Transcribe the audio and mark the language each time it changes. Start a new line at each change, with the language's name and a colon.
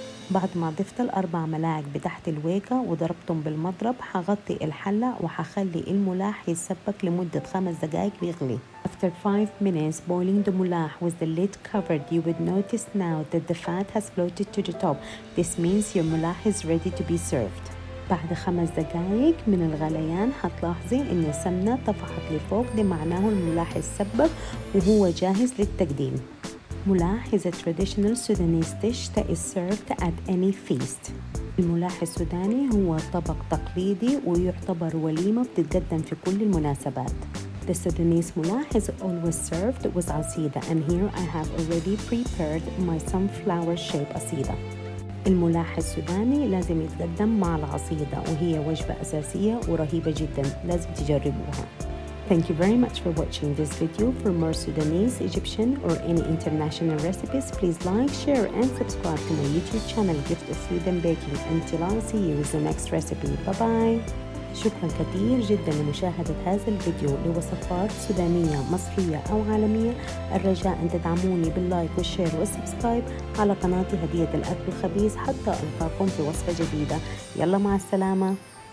Arabic: بعد ما ضفت الأربع ملاعق بتحت الويكا وضربتهم بالمضرب هغطي الحلة وهخلي الملاح يتسبك لمدة 5 دقائق بيغلي.
English: After 5 minutes boiling the moulah with the lid covered, you would notice now that the fat has floated to the top. This means your moulah is ready to be served.
Arabic: بعد 5 دقائق من الغليان هتلاحظي ان السمنة طفحت لفوق, ده معناه الملاح اتسبك وهو جاهز للتقديم.
English: Mulah is a traditional Sudanese dish that is served at any feast.
Arabic: الملاح السوداني هو طبق تقليدي ويعتبر وليمة بتتقدم في كل المناسبات.
English: The Sudanese mulah is always served with asida, and here I have already prepared my sunflower shape asida.
Arabic: الملاح السوداني لازم يتقدم مع العصيدة وهي وجبة أساسية ورهيبة جدا لازم تجربوها.
English: Thank you very much for watching this video. For more Sudanese, Egyptian or any international recipes, please like, share and subscribe to my YouTube channel Gift of Food and Baking. Until I see you with the next recipe. Bye bye.
Arabic: شكرا كثير جدا لمشاهدة هذا الفيديو لوصفات سودانية مصرية أو عالمية. الرجاء أن تدعموني باللايك والشير والسبسكرايب على قناتي هدية الأكل الخبيث حتى ألقاكم في وصفة جديدة. يلا مع السلامة.